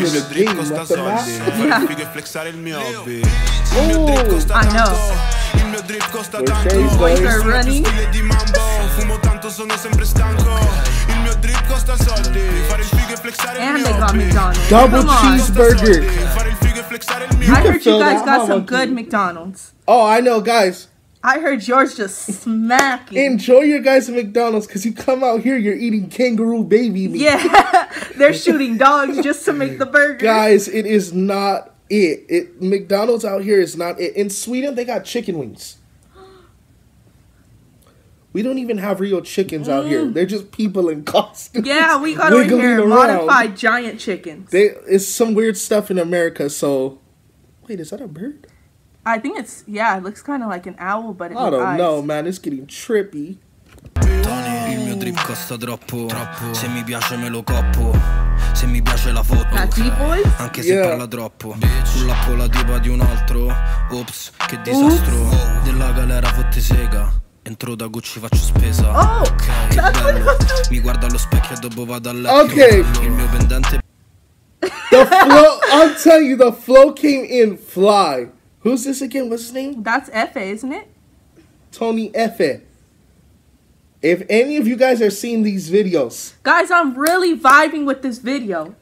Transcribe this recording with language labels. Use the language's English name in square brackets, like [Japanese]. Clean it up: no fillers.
[Italian] Il mio drip costa soldi. Fare il figo e flexare il mio hobby. Il mio drip costa tanto. Il mio drip costa tanto. Stile di mambo. Fumo tanto, sono sempre stanco. Il mio drip costa soldi. Fare il figo e flexare il mio hobby. [English] And they got McDonald's. Double cheeseburger. [Italian] Fare il figo e flexare il mio [English] hobby. I heard you guys got some good McDonald's. Oh, I know, guys. I heard yours just smacking. Enjoy your guys at McDonald's, because you come out here, you're eating kangaroo baby meat. Yeah, they're shooting dogs just to make the burger. Guys, it is not it. McDonald's out here is not it. In Sweden, they got chicken wings. We don't even have real chickens out here. They're just people in costumes. Yeah, we got over here modified giant chickens. It's some weird stuff in America, so... Wait, is that a bird? I think it's, yeah, it looks kind of like an owl, but it I don't eyes. Know, man, it's getting trippy. [Italian] Il mio drip costa troppo. Se mi piace me lo coppo. se mi piace la foto. [English] Okay. Okay. [Italian] Anche se parla troppo. Sulla pola tipo di un altro. Ops, che disastro. Della galera fotte sega. Entro da Gucci faccio spesa. [English] Oh, okay, [Italian] mi guardo allo specchio e dopo vado a letto. Ok. Il mio pendente. [English] The flow, I'll tell you, the flow came in fly. Who's this again? What's his name? That's Effe, isn't it? Tony Effe. If any of you guys are seeing these videos. Guys, I'm really vibing with this video.